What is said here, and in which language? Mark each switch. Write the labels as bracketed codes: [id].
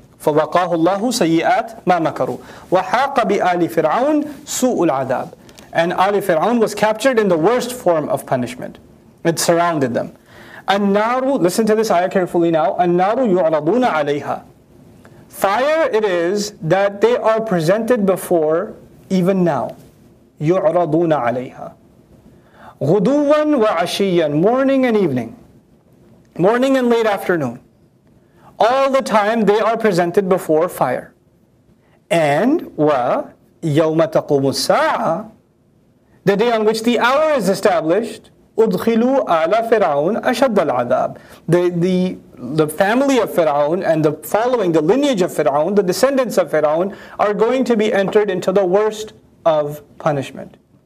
[ar] فَوَقَاهُ اللَّهُ سَيِّئَاتْ مَا مَكَرُوا وَحَاقَ بِآلِ فِرْعَوْنِ سُوءُ الْعَذَابِ [en] And Ali Fir'aun was captured in the worst form of punishment. It surrounded them. [ar] النَّارُ [en] Listen to this ayah carefully now. [ar] النَّارُ يُعْرَضُونَ عَلَيْهَا [en] Fire it is that they are presented before even now. [ar] يُعْرَضُونَ عَلَيْهَا غُدُوًا وَعَشِيًّا [en] Morning and evening. Morning and late afternoon. All the time they are presented before fire. And [ar] وَيَوْمَ تَقُومُ السَّاعَةَ [en] The day on which the hour is established. [ar] أُدْخِلُوا عَلَى فِرْعَوْنَ أَشَدَّ الْعَذَابِ [en] The family of Fir'aun and the following, the lineage of Fir'aun, the descendants of Fir'aun, are going to be entered into the worst of punishment.